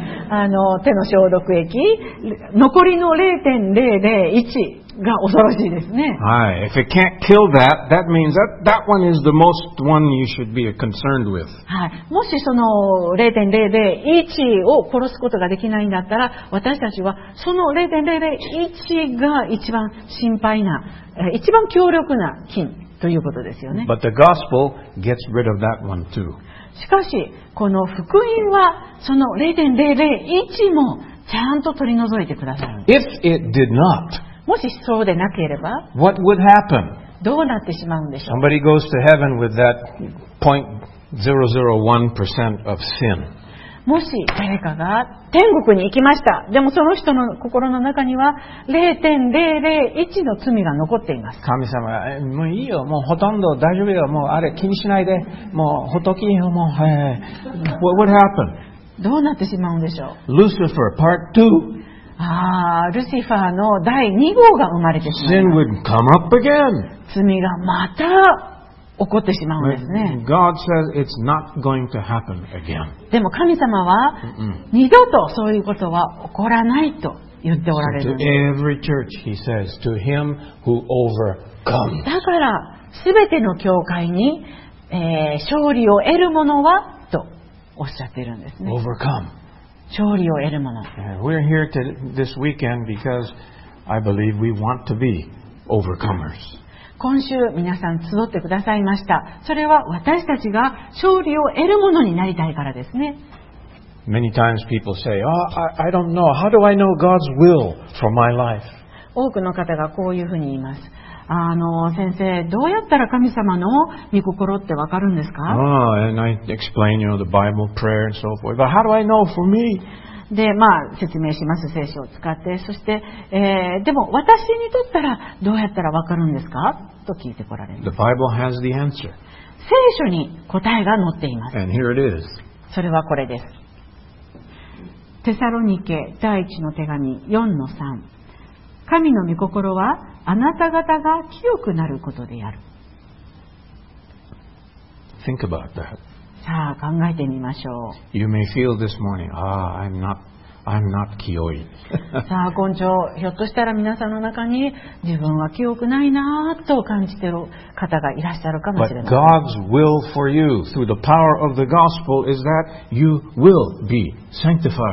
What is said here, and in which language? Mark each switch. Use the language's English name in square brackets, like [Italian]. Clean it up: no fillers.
[Japanese] はい、手の消毒液、残りの 0.001 が恐ろしいですね。 [English] はい、if it can't kill that, that means that one is the most one you should be concerned with. [Japanese] はい、もしその 0.001 を殺すことができないんだったら、私たちはその 0.001 が一番心配な、一番強力な菌ということですよね。 [English] But the gospel gets rid of that one too. [Japanese] しかしこの福音はその 0.001 もちゃんと取り除いてくださる。 [English] If it did not, [Japanese] もしそうでなければ [English] what would happen? [Japanese] どうなってしまうんでしょう。 [English] Somebody goes to heaven with that 0.001% of sin. [Japanese] もし誰かが天国に行きました。でもその人の心の中には 0.001 の罪が残っています。神様、もういいよ、もうほとんど大丈夫よ、もうあれ気にしないで、もう仏よ、もう、はい、 [English] What happened? [Japanese] どうなってしまうんでしょう。 [English] Lucifer Part 2. [Japanese] ルシファーの第2号が生まれてしまう。 [English] Sin would come up again. [Japanese] 罪がまた起こってしまうんですね。 [English] God says it's not going to happen again. [Japanese] でも神様は二度とそういうことは起こらないと言っておられるんです。 [English] To every church, he says, to him who overcomes. [Japanese] だから全ての教会に、勝利を得る者はとおっしゃってるんですね。 [English] Overcome. [Japanese] 勝利を得る者。 [English] We're here this weekend because I believe we want to be overcomers. [Japanese] 今週皆さん集ってくださいました。それは私たちが勝利を得るものになりたいからですね。 [English] Many times people say, I don't know. How do I know God's will for my life? [Japanese] 多くの方がこういうふうに言います。先生、どうやったら神様の御心ってわかるんですか? [English] And I explain, you know, the Bible prayer and so forth. But how do I know for me? [Japanese] で、説明します。聖書を使って。そして、でも私にとったらどうやったら分かるんですか? と聞いてこられます。 [English] The Bible has the answer. [Japanese] 聖書に答えが載っています。 [English] And here it is. [Japanese] それはこれです。テサロニケ第1の手紙4-3。神の御心はあなた方が清くなることである。 [English] Think about that. [Japanese] さあ考えてみましょう。 [English] You may feel this morning, I'm not [Japanese] 清い。さあ今朝ひょっとしたら皆さんの中に自分は清くないなと感じている方がいらっしゃるかもしれません。 [English] But God's will for you through the power of the gospel is that you will be sanctified.